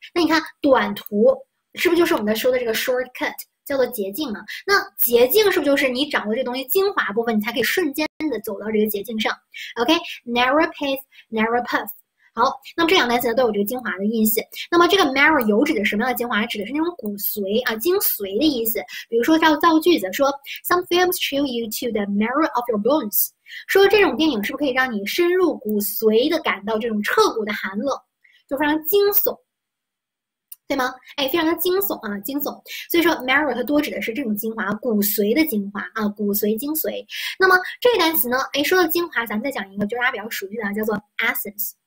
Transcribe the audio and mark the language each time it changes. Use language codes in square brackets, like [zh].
[zh] 那你看短途是不是就是我们在说的这个 shortcut，叫做捷径嘛？那捷径是不是就是你掌握这东西精华部分，你才可以瞬间的走到这个捷径上？OK， [en] narrow pith，narrow path。 [zh] 好，那么这两个单词呢都有这个精华的意思。那么这个 marrow 有指的什么样的精华？指的是那种骨髓啊，精髓的意思。比如说造造句子说， [en] Some films chill you to the marrow of your bones。 [zh] 说这种电影是不是可以让你深入骨髓的感到这种彻骨的寒冷，就非常惊悚，对吗？哎，非常的惊悚啊，惊悚。所以说 marrow 它多指的是这种精华，骨髓的精华啊，骨髓精髓。那么这个单词呢，哎，说到精华，咱们再讲一个，就是大家比较熟悉的，叫做 essence。